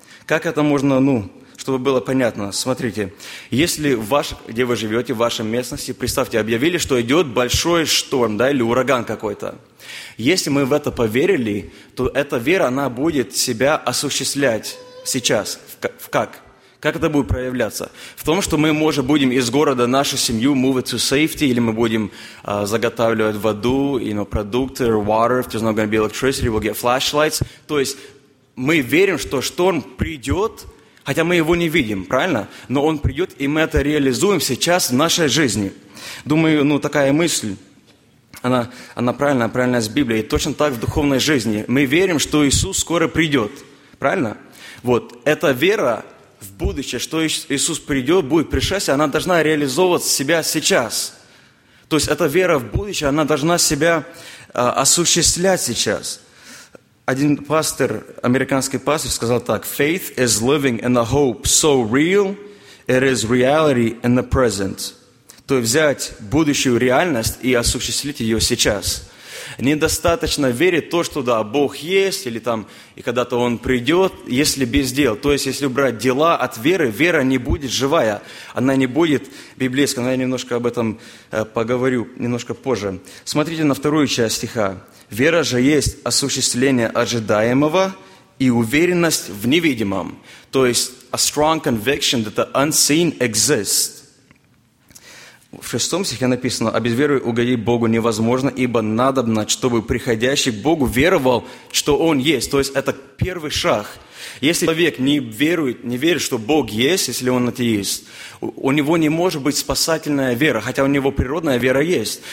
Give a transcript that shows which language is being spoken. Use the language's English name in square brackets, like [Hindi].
[Russian] Как это можно, ну, чтобы было понятно? Смотрите, если где вы живете, в вашей местности, представьте, объявили, что идет большой шторм, да, или ураган какой-то. Если мы в это поверили, то эта вера, она будет себя осуществлять сейчас. В как? Как это будет проявляться? В том, что мы, может, будем из города нашу семью [English] move it to safety, [Russian] или мы будем заготавливать воду, [English] you know, [Russian] продукты, [English] water, if there's not going to be electricity, we'll get flashlights. [Russian] То есть мы верим, что шторм придет, хотя мы его не видим, правильно? Но он придет, и мы это реализуем сейчас в нашей жизни. Думаю, ну, такая мысль, она правильная, правильная с Библией. Точно так в духовной жизни. Мы верим, что Иисус скоро придет, правильно? Вот, эта вера в будущее, что Иисус придет, будет пришествие, она должна реализовывать себя сейчас. То есть эта вера в будущее, она должна себя осуществлять сейчас. Один пастор, американский пастор, сказал так: [English] «Faith is living in a hope so real, it is reality in the present». [Russian] То есть взять будущую реальность и осуществить ее сейчас. Недостаточно верить в то, что да, Бог есть, или там, и когда-то Он придет, если без дел. То есть, если убрать дела от веры, вера не будет живая, она не будет библейская. Но я немножко об этом поговорю немножко позже. Смотрите на вторую часть стиха. «Вера же есть осуществление ожидаемого и уверенность в невидимом». То есть, [English] a strong conviction that the unseen exists. [Russian] В шестом стихе написано: «А без веры угодить Богу невозможно, ибо надобно, чтобы приходящий к Богу веровал, что Он есть». То есть это первый шаг. Если человек не верит, что Бог есть, если он атеист, у него не может быть спасательная вера, хотя у него природная вера есть.